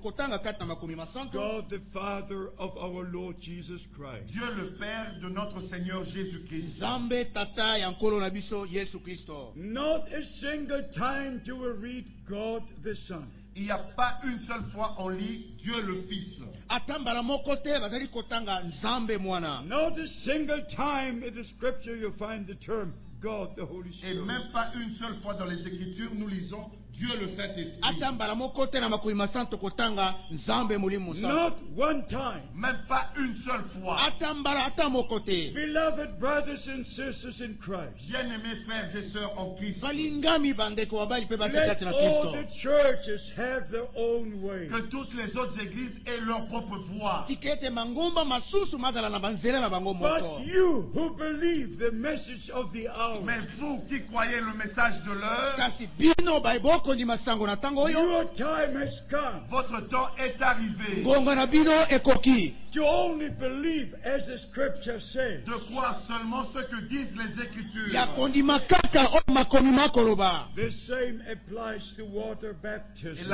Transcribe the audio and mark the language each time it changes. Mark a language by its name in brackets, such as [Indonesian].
[English] God the Father of our Lord Jesus Christ. [French] Dieu le Père de notre Seigneur Jésus Christ. [Lingala] Zambe tata ya nkolo na biso Yesu Kristo. [English] Not a single time do we read God the Son. [French] Il n'y a pas une seule fois on lit Dieu le Fils. [English] Not a single time in the scripture you find the term God the Holy Spirit. [French] Et même pas une seule fois dans les Écritures nous lisons Dieu le Saint-Esprit. [English] Not one time. [French] Même pas une seule fois. [English] Beloved brothers and sisters in Christ. [French] Bien-aimés frères et sœurs en Christ. [English] Let all the churches have their own way. [French] Que toutes les autres églises aient leur propre voie. [English] But you who believe the message of the hour. [French] Mais vous qui croyez le message de l'heure. [English] Your time has come. [French] Votre temps est arrivé. Gonganabino et Koki. [English] To only believe as the scripture says. [French] De croire seulement ce que disent les écritures. [English] The same applies to water baptism.